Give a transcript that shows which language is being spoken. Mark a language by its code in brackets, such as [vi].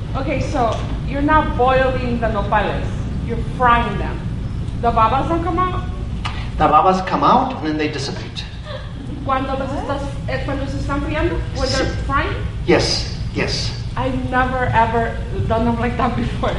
[en] Okay, so you're not boiling the nopales, you're frying them. The babas don't come out? The babas come out and then they dissipate. [es] Cuando se están friendo? [en] When they're frying? Yes, yes. I've never ever done them like that before.